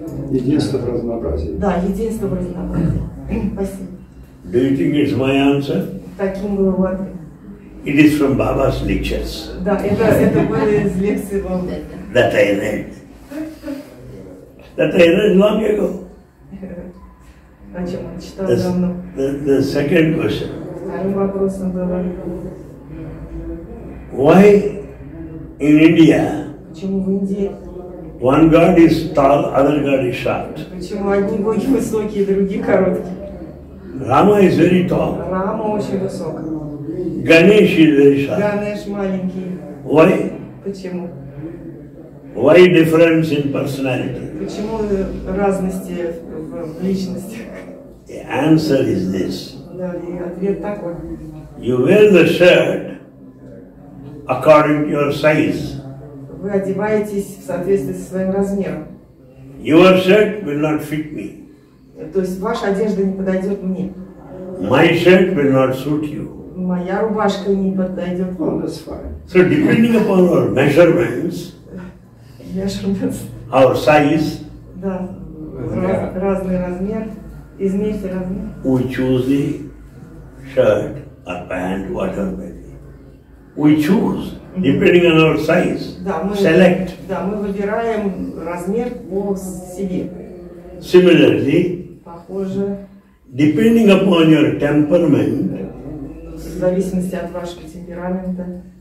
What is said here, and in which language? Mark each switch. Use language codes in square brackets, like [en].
[ru] Единство в разнообразии. Да, единство в разнообразии. Спасибо. [en] Do you think it's my answer? [ru] Таким был ответ. [en] It is from Baba's lectures. [ru] Да, это было из лекции Бабы. [en] That I read. That I read long ago. [ru] О чем он читал давно? [en] The second question. [ru] Вторым вопросом было. [en] Why in India? [ru] Почему в Индии? [en] One god is tall, other god is short. [ru] Почему одни боги высокие, другие короткие? [en] Rama is very tall. [ru] Рама очень высок. [en] Ganesh is very short. [ru] Ganesh маленький. [en] Why? [ru] Почему? [en] Why difference in personality? [ru] Почему разности в личностях? [en] The answer is this. [ru] Да, и ответ такой. [en] You wear the shirt according to your size. [ru] Вы одеваетесь в соответствии со своим размером. [en] Your shirt will not fit me. [ru] То есть ваша одежда не подойдет мне. [en] My shirt will not suit you. [ru] Моя рубашка не подойдет вам. [en] That's fine. So depending upon our measurements, our size, [ru] да, разный размер, измерьте размер. [en] We choose the shirt or pant, whatever may be. We choose. Depending on our size, [ru] да, мы, [en] select. [ru] Да, мы выбираем размер по себе. [en] Similarly, [ru] похоже, [en] depending upon your temperament, [ru] в зависимости от вашего темперамента,